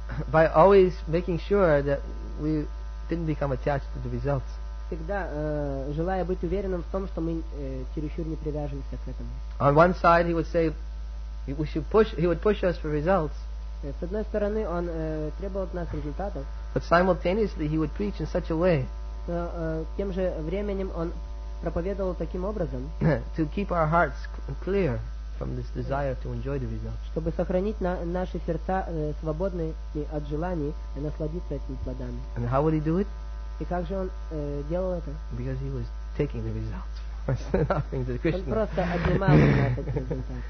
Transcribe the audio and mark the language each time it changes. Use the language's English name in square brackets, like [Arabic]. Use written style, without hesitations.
[English] By always making sure that we didn't become attached to the results. [Russian] Всегда желая быть уверенным в том, что мы чересчур не привяжемся к этому. [English] On one side, he would say, he would push us for results. [Russian] С одной стороны, он требовал от нас результатов. [English] But simultaneously, he would preach in such a way. [Russian] Тем же временем он проповедовал таким образом. [English] To keep our hearts clear. From this desire to enjoy the result. [Russian] Чтобы сохранить наши сердца свободными от желаний насладиться этими плодами. [English] And how would he do it? [Russian] И как же он делал это? [English] Because he was taking the results, offering to Krishna. [Russian] Он просто отнимал результат.